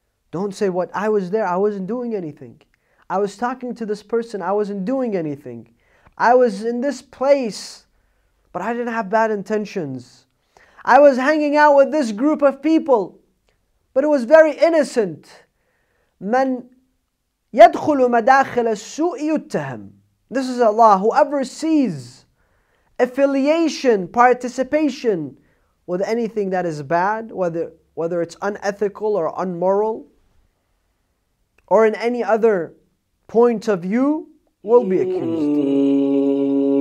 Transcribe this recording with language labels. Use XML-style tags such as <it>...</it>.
<en>Don't say, what, I was there, I wasn't doing anything. I was talking to this person, I wasn't doing anything. I was in this place, but I didn't have bad intentions. I was hanging out with this group of people, but it was very innocent.</en> <ar>من يدخل مداخل السوء يتهم.</ar> <en>This is Allah. Whoever sees affiliation, participation with anything that is bad, whether it's unethical or unmoral, or in any other point of view, will be accused.</en>